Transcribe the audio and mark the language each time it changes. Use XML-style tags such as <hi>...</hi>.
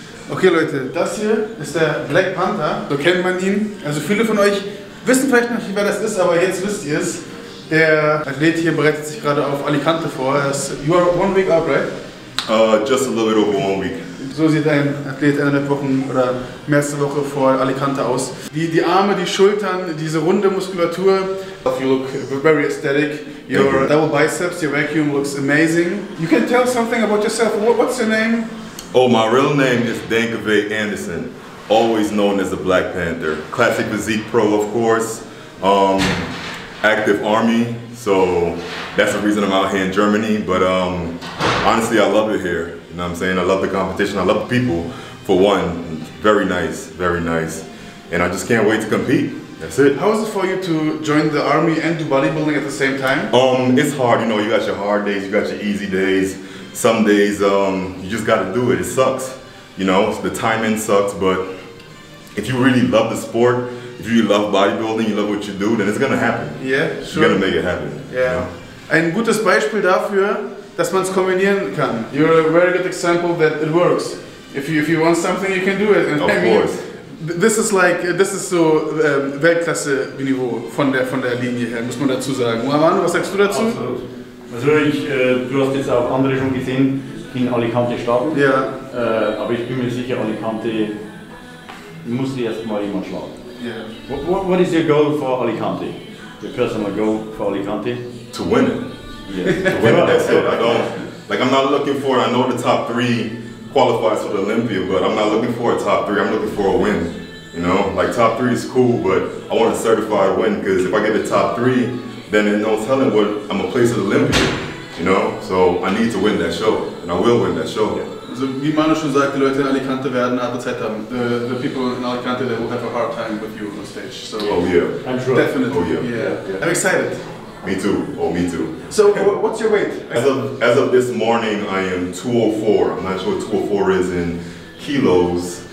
<de>Okay Leute, das hier ist der Black Panther, so kennt man ihn. Also viele von euch wissen vielleicht noch nicht, wer das ist, aber jetzt wisst ihr es. Der Athlet hier bereitet sich gerade auf Alicante vor. Er ist,</de> <en>you are 1 week out, right? Just a little bit over 1 week.</en> <de>So sieht ein Athlet eineinhalb Wochen oder mehrste Woche vor Alicante aus. Die Arme, die Schultern, diese runde Muskulatur.</de> <en>You look very aesthetic. Your double biceps, your vacuum looks amazing. You can tell something about yourself. What's your name? Oh, my real name is Dankeve Anderson, always known as the Black Panther. Classic physique pro, of course, active army, so that's the reason I'm out here in Germany. But honestly, I love it here, you know what I'm saying? I love the competition, I love the people, for one. Very nice, very nice. And I just can't wait to compete. That's it. How was it for you to join the army and do bodybuilding at the same time? It's hard, you know, you got your hard days, you got your easy days. Some days you just gotta do it. It sucks, you know, the time in sucks, but if you really love the sport, if you really love bodybuilding, you love what you do, then it's gonna happen. Yeah, sure. You gotta make it happen. Yeah. You know?</en> <de>Ein gutes Beispiel dafür, dass man es kombinieren kann.</de> <en>You're a very good example that it works. If you want something, you can do it. And of course. Mean, this is so</en> <de>Weltklasse-Niveau von der Linie her, muss man dazu sagen. Manu, was sagst du dazu? Absolut. Natürlich, du hast jetzt auch andere schon gesehen, die in Alicante starten. Ja. Aber ich bin mir sicher, Alicante muss erst mal jemand schlagen. Ja.</de> <en>What is your goal for Alicante? Your personal goal for Alicante? To win it. Yeah. To win it, that's it. I don't, like, I'm not looking for, I know the top three qualifies for the Olympia, but I'm not looking for a top three, I'm looking for a win. You know, like, top three is cool, but I want a certified win, because if I get the top three, then there's no telling what I'm a place at Olympia, you know? So I need to win that show, and I will win that show.</en> <de>Also, wie Manu schon sagt, die Leute in Alicante werden harte Zeit haben.</de> <en>The people in Alicante, they will have a hard time with you on stage. So, oh yeah. I'm sure. Definitely. Oh yeah. I'm excited. Me too. Oh, me too. So what's your weight? As of this morning, I am 204. I'm not sure what 204 is in kilos.</en>